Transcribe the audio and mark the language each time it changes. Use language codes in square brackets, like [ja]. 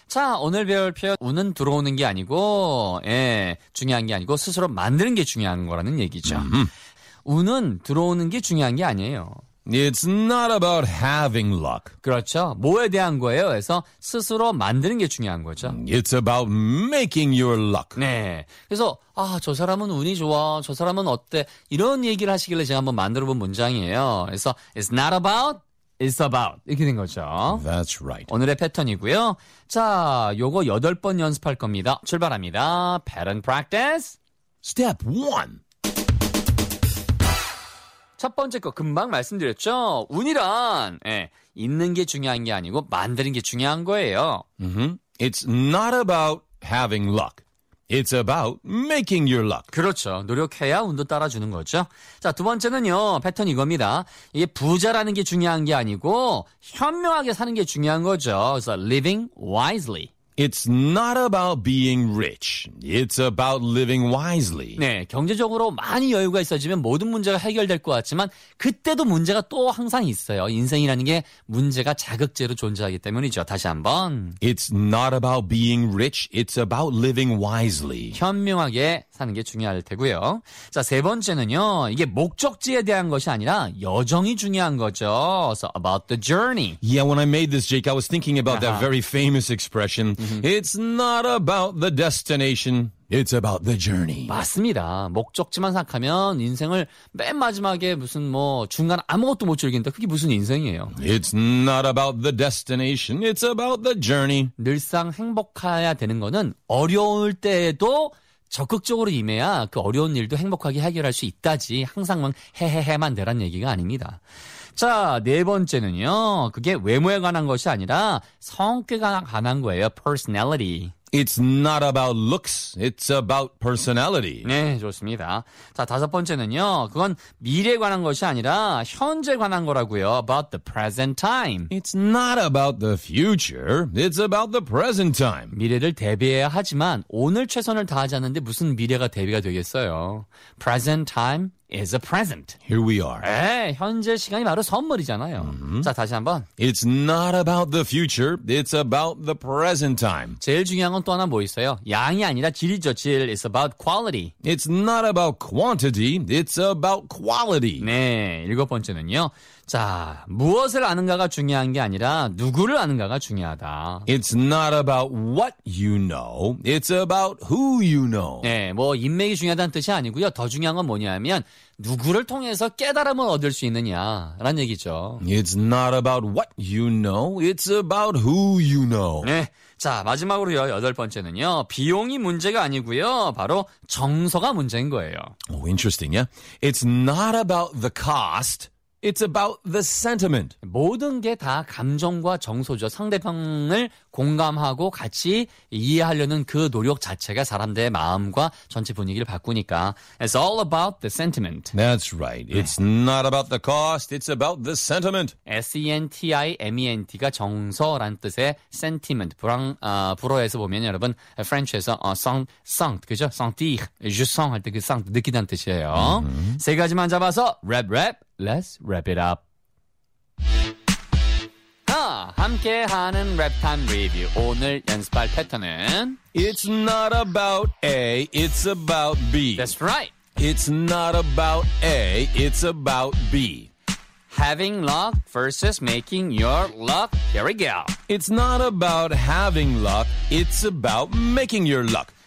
[ko] 자, 오늘 배울 표현은 들어오는 게 아니고, 예, 중요한 게 아니고 스스로 만드는 게 중요한 거라는 얘기죠. 운은 들어오는 게 중요한 게 아니에요. [en] It's not about having luck. [ko] 그렇죠. 뭐에 대한 거예요? 그래서 스스로 만드는 게 중요한 거죠. [en] It's about making your luck. [ko] 네. 그래서 아, 저 사람은 운이 좋아. 저 사람은 어때? 이런 얘기를 하시길래 제가 한번 만들어본 문장이에요. 그래서 [en] It's not about, it's about. [ko] 이렇게 된 거죠. [en] That's right. [ko] 오늘의 패턴이고요. 자, 요거 8번 연습할 겁니다. 출발합니다. [en] Pattern practice. Step 1. [ko] 첫 번째 거 금방 말씀드렸죠. 운이란 예, 있는 게 중요한 게 아니고 만드는 게 중요한 거예요. Mm-hmm. [en] It's not about having luck. It's about making your luck. [ko] 그렇죠. 노력해야 운도 따라주는 거죠. 자, 두 번째는요. 패턴 이겁니다. 이게 부자라는 게 중요한 게 아니고 현명하게 사는 게 중요한 거죠. [en] So living wisely. It's not about being rich. It's about living wisely. [ko] 네, 경제적으로 많이 여유가 있어지면 모든 문제가 해결될 것 같지만 그때도 문제가 또 항상 있어요. 인생이라는 게 문제가 자극제로 존재하기 때문이죠. 다시 한번. [en] It's not about being rich. It's about living wisely. [ko] 현명하게 사는 게 중요할 테고요. 자, 세 번째는요. 이게 목적지에 대한 것이 아니라 여정이 중요한 거죠. [en] So about the journey. Yeah, when I made this, Jake, I was thinking about that very famous expression. It's not about the destination. It's about the journey. [ko] 맞습니다. 목적지만 생각하면 인생을 맨 마지막에 무슨 뭐 중간 아무것도 못 즐긴다. 그게 무슨 인생이에요. [en] It's not about the destination. It's about the journey. [ko] 늘상 행복해야 되는 거는 어려울 때에도 적극적으로 임해야 그 어려운 일도 행복하게 해결할 수 있다지 항상만 헤헤헤만 되란 얘기가 아닙니다. 자, 네 번째는요. 그게 외모에 관한 것이 아니라 성격에 관한 거예요. [en] Personality. It's not about looks. It's about personality. [ko] 네, 좋습니다. 자, 다섯 번째는요. 그건 미래에 관한 것이 아니라 현재에 관한 거라고요. [en] About the present time. It's not about the future. It's about the present time. [ko] 미래를 대비해야 하지만 오늘 최선을 다하지 않는데 무슨 미래가 대비가 되겠어요. [en] Present time is a present. Here we are. [ko] 에이, 현재 시간이 바로 선물이잖아요. Mm-hmm. 자, 다시 한번. [en] It's not about the future. It's about the present time. [ko] 제일 중요한 건 또 하나 뭐 있어요? 양이 아니라 질이죠, 질. [en] It's about quality. It's not about quantity. It's about quality. [ko] 네, 일곱 번째는요. 자, 무엇을 아는가가 중요한 게 아니라 누구를 아는가가 중요하다. [en] It's not about what you know. It's about who you know. [ko] 네, 뭐 인맥이 중요하다는 뜻이 아니고요. 더 중요한 건 뭐냐면 누구를 통해서 깨달음을 얻을 수 있느냐라는 얘기죠. [en] It's not about what you know. It's about who you know. [ko] 네. 자, 마지막으로요. 여덟 번째는요. 비용이 문제가 아니고요. 바로 정서가 문제인 거예요. [en] Oh, interesting, yeah? It's not about the cost. It's about the sentiment. [ko] 모든 게 다 감정과 정서죠. 상대방을 공감하고 같이 이해하려는 그 노력 자체가 사람들의 마음과 전체 분위기를 바꾸니까. [en] It's all about the sentiment. That's right. It's 네. not about the cost. It's about the sentiment. [ko] S-E-N-T-I-M-E-N-T가 정서란 뜻의 sentiment. 불어에서 보면 여러분, French에서 sent, 그죠? [fr] sentir, je sens [ko] 할 때 그 sent 느끼다는 뜻이에요. Mm-hmm. 세 가지만 잡아서 랩 랩. [en] Let's wrap it up. [ko] 하, 함께하는 랩타임 리뷰. 오늘 연습할 패턴은 [en] It's not about A, it's about B. That's right. It's not about A, it's about B. Having luck versus making your luck. Here we go. It's not about having luck, it's about making your luck.